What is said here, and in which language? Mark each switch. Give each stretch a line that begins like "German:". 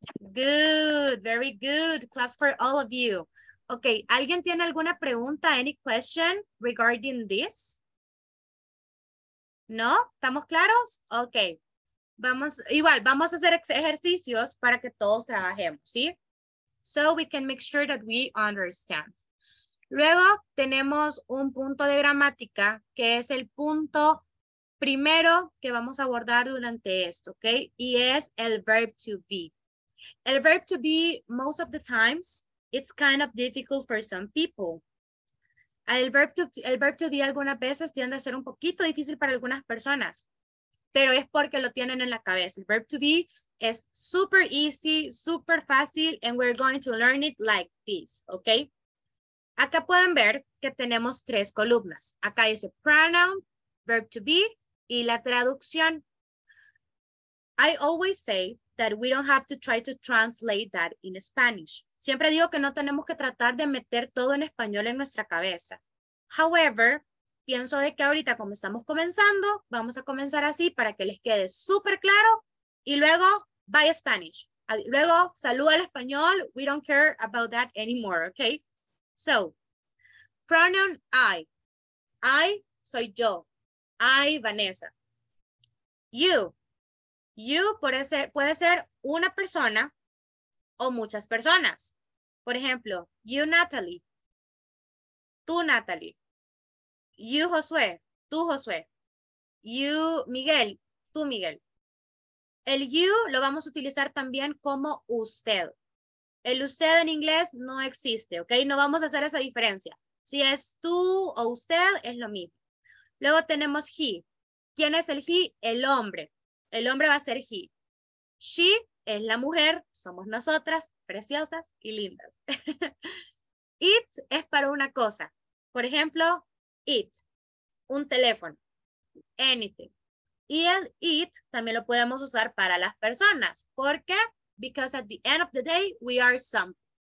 English: Good, very good. Claps for all of you.
Spanish: Ok, ¿alguien tiene alguna pregunta,
English: any question regarding this?
Spanish: ¿No? ¿Estamos claros? Ok, vamos, igual, vamos a hacer ejercicios para que todos trabajemos, ¿sí?
English: So we can make sure that we understand.
Spanish: Luego tenemos un punto de gramática que es el punto primero que vamos a abordar durante esto, ¿ok? Y es el verb to be.
English: El verb to be, most of the times, it's kind of difficult for some people.
Spanish: El verb to be algunas veces tiende a ser un poquito difícil para algunas personas, pero es porque lo tienen en la cabeza.
English: El verb to be es super easy,
Spanish: super fácil,
English: and we're going to learn it like this, ¿ok?
Spanish: Acá pueden ver que tenemos tres columnas. Acá dice pronoun, verb to be, y la traducción.
English: I always say that we don't have to try to translate that in Spanish.
Spanish: Siempre digo que no tenemos que tratar de meter todo en español en nuestra cabeza. However, pienso de que ahorita como estamos comenzando, vamos a comenzar así para que les quede súper claro y luego
English: bye Spanish.
Spanish: Luego saluda al español,
English: we don't care about that anymore, okay? So, pronoun I. I
Spanish: soy yo.
English: I, Vanessa. You.
Spanish: You puede ser una persona o muchas personas. Por ejemplo, you, Natalie. Tú, Natalie. You, Josué. Tú, Josué. You, Miguel. Tú, Miguel. El you lo vamos a utilizar también como usted. El usted en inglés no existe, ¿ok? No vamos a hacer esa diferencia. Si es tú o usted, es lo mismo. Luego tenemos he. ¿Quién es el he? El hombre. El hombre va a ser he. She es la mujer. Somos nosotras, preciosas y lindas. It es para una cosa. Por ejemplo, it. Un teléfono. Anything. Y el it también lo podemos usar para las personas. ¿Por qué?
English: Because at the end of the day, we are something.